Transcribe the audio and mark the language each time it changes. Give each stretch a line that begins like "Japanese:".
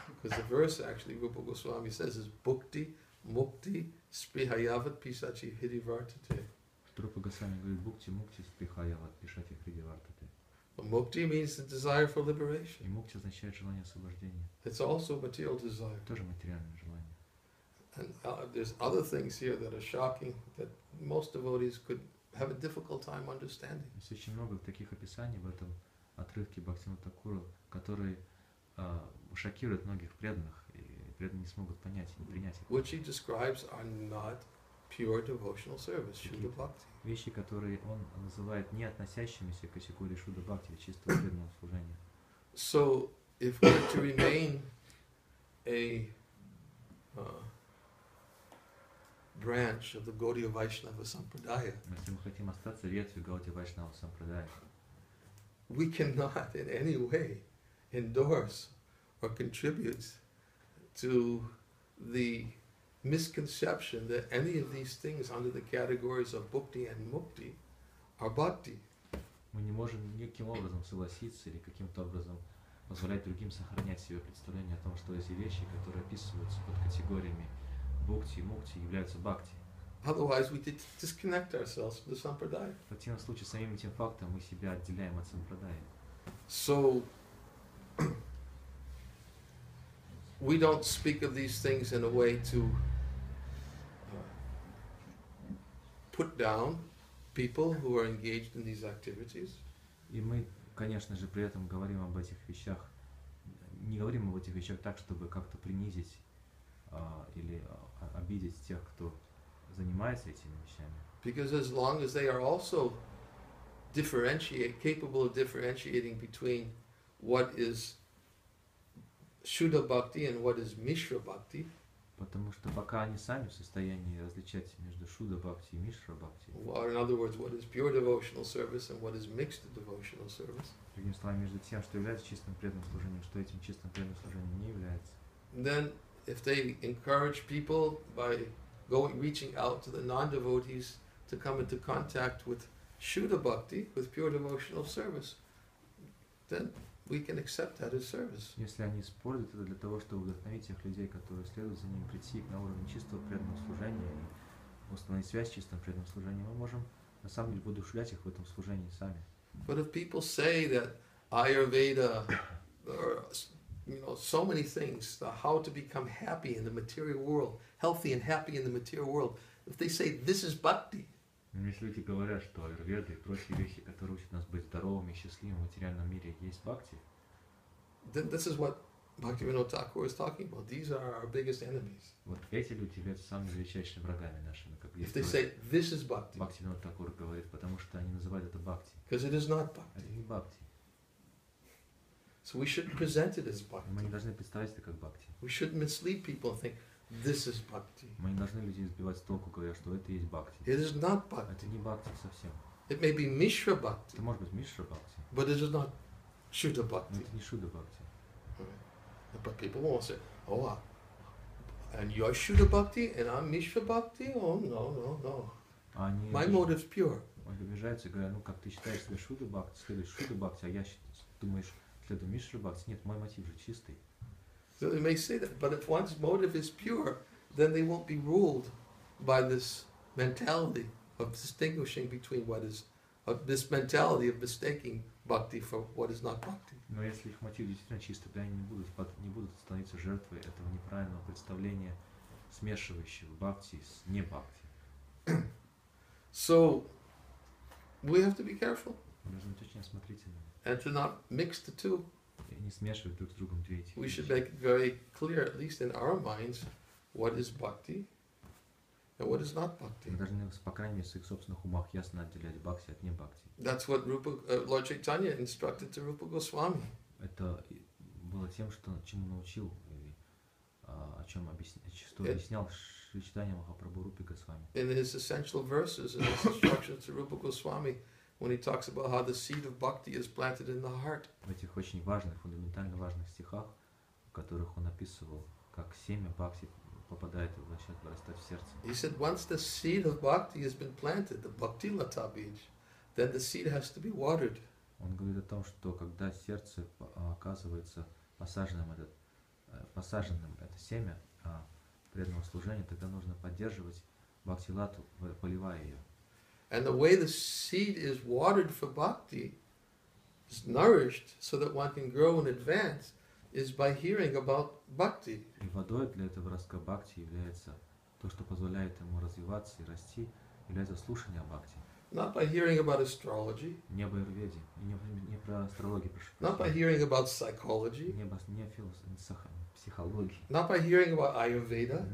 English: Because the verse actually Rupa Goswami says is bhakti, mukti, sprihayavat, pisachi, hridivartate.
Russian: Rupa Goswami говорит бхакти, мукти, сприхаяват, пишати, хридивартате.
English: Mukti means the desire for liberation.
Russian: И мукти означает желание освобождения.
English: It's also a material desire.
Russian: Тоже материальное желание.
English: And there's other things here that are shocking that most devotees could have a difficult time understanding.
Russian: Есть очень много таких описаний в этом отрывке Бхактивинода Такура, которые шокируют многих преданных, и преданные не смогут понять, не принять их.
English: Which he describes are not pure devotional service, Shuddha Bhakti.
Russian: Вещи, которые он называет не относящимися к категории Шуддха Бхакти, чистого преданного служения.
English: So, if we're to remain a branch of the Gaudiya Vaishnava Sampradaya,
Russian: если мы хотим остаться ветвью Гаудия Вайшнава Сампрадая,
English: we cannot in any way endorse or contribute to the misconception that any of these things under the categories of bhakti and mukti are bhakti.
Russian: Мы не можем никаким образом согласиться или каким-то образом позволять другим сохранять себе представление о том, что эти вещи, которые описываются под категориями бхакти и мукти, являются бхакти.
English: Otherwise, we disconnect ourselves from the sampradaya.
Russian: В противном случае самим этим фактом мы себя отделяем от сампрадаи.
English: So we don't speak of these things in a way to put down people who are engaged in these activities.
Russian: И мы, конечно же, при этом говорим об этих вещах, не говорим об этих вещах так, чтобы как-то принизить или обидеть тех, кто занимается этими вещами.
English: Because as long as they are also capable of differentiating between what is Shuddha Bhakti and what is Mishra Bhakti.
Russian: Потому что пока они сами в состоянии различать между Shuddha Bhakti и Mishra Bhakti.
English: Or in other words, what is pure devotional service and what is mixed devotional service.
Russian: Другими словами, между тем, что является чистым преданным служением, что этим чистым преданным служением не является.
English: Then, if they encourage people by going, reaching out to the non-devotees to come into contact with Shuddha Bhakti, with pure devotional service, then we can accept that as service.
Russian: Если они используют это для того, чтобы вдохновить тех людей, которые следуют за ним, прийти на уровень чистого преданного служения и установить связь с чистым преданным служением, мы можем на самом деле воодушевлять их в этом служении сами.
English: But if people say that Ayurveda or you know so many things, how to become happy in the material world, healthy and happy in the material world, if they say this is bhakti.
Russian: Если люди говорят, что Аюрведа и прочие вещи, которые учат нас быть здоровыми и счастливыми в материальном мире, есть бхакти.
English: Then this is what Bhaktivinoda Thakur is talking about. These are our biggest enemies.
Russian: Вот эти люди являются самыми величайшими врагами нашими. Как
English: if they say this is bhakti.
Russian: Бхактивинода Такур говорит, потому что они называют это бхакти.
English: Because it is not bhakti.
Russian: Это не бхакти.
English: So we should present it as bhakti.
Russian: Мы не должны представить это как бхакти.
English: We should mislead people and think this is bhakti.
Russian: Мы не должны людей сбивать с толку, говоря, что это есть бхакти.
English: It is not bhakti.
Russian: Это не бхакти совсем.
English: It may be Mishra Bhakti.
Russian: Это может быть Мишра Бхакти.
English: But it is not Shuddha Bhakti.
Russian: Это не Шудха Бхакти.
English: Right. But people will say, oh, and you're Shuddha Bhakti and I'm Mishra Bhakti? Oh, no, no, no.
Russian: Они
English: My motive is pure.
Russian: Они обижаются и говорят, ну как ты считаешь себя Шудха Бхакти, следуешь Шудха Бхакти, а я думаешь, следую Мишра Бхакти? Нет, мой мотив же чистый.
English: So they may say that, but if one's motive is pure, then they won't be ruled by this mentality of distinguishing between what is, of this mentality of mistaking bhakti for what is not bhakti.
Russian: Но если их мотив действительно чистый, то они не будут становиться жертвой этого неправильного представления, смешивающего бхакти с не бхакти.
English: So we have to be careful.
Russian: Нужно быть очень осмотрительными.
English: And to not mix the two.
Russian: И не смешивать друг с другом две эти.
English: We should make it very clear, at least in our minds, what is bhakti. And what is not bhakti?
Russian: Мы должны, по крайней мере, в своих собственных умах ясно отделять бхакти от не бхакти.
English: That's what Rupa, Lord Chaitanya instructed to Rupa Goswami.
Russian: Это было тем, что чему научил, о чем объяснял Шри Чайтанья Махапрабху Рупе Госвами.
English: In his essential verses, in his instructions to Rupa Goswami, when he talks about how the seed of bhakti is planted in the heart.
Russian: В этих очень важных, фундаментально важных стихах, в которых он описывал, как семя бхакти попадает и начинает вырастать в сердце.
English: He said, once the seed of bhakti has been planted, the bhakti lata bij, then the seed has to be watered.
Russian: Он говорит о том, что когда сердце оказывается посаженным это семя преданного служения, тогда нужно поддерживать бхакти лату, поливая ее.
English: And the way the seed is watered for bhakti, is nourished so that one can grow in advance, is by hearing about bhakti.
Russian: И водой для этого ростка бхакти является то, что позволяет ему развиваться и расти, является слушание о бхакти.
English: Not by hearing about astrology.
Russian: Не об аюрведе, не про астрологию прошу.
English: Not by hearing about psychology.
Russian: Не психологии.
English: Not by hearing about Ayurveda.